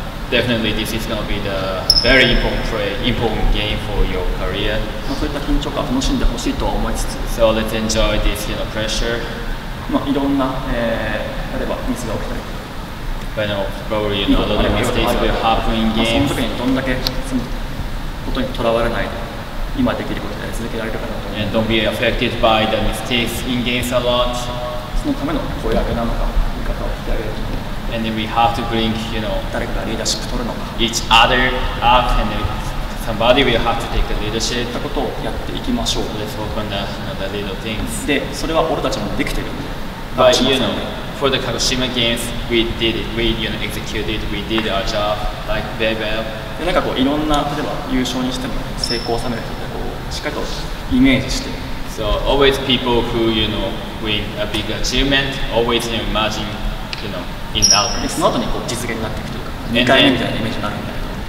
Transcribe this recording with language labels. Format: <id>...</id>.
<en>Definitely, this is going to be the very important game for your career.</en> <ja>まあ、そういった緊張感を楽しんでほしいとは思いつつ。</ja> <en>So let's enjoy this, you know, pressure.</en> <ja>まあ、いろんな、例えばミスが起きたり。</ja> <en>But no, probably, you know, a lot of mistakes will happen in games.</en> <ja>その時にどんだけそのことにとらわれないで、今できることで続けられるかなと。</ja> <en>And don't be affected by the mistakes in games a lot.</en> <ja>そのための声上げなのか、味方を引き上げる。</ja> <en>And then we have to bring, you know,</en> <ja>誰かがリーダーシップ取るのか</ja> <en>each other up and then somebody will have to take the leadership</en> <ja>ってことをやっていきましょう</ja> <en>so let's work on the, you know, the little things</en> <ja>で、それは俺たちもできてるんで</ja> <en>but you know, for the Kagoshima games, we did it, we you know, executed, we did our job like very well</en> <ja>で、なんかこういろんな、例えば優勝にしても成功を収めるってこうしっかりとイメージして</ja> <en>そう、so, always people who, you know, win a big achievement, always imagine, you know</en> <ja>その後にこう実現になっていくというか、2回目みたいなイメージになるんだけど。</ja>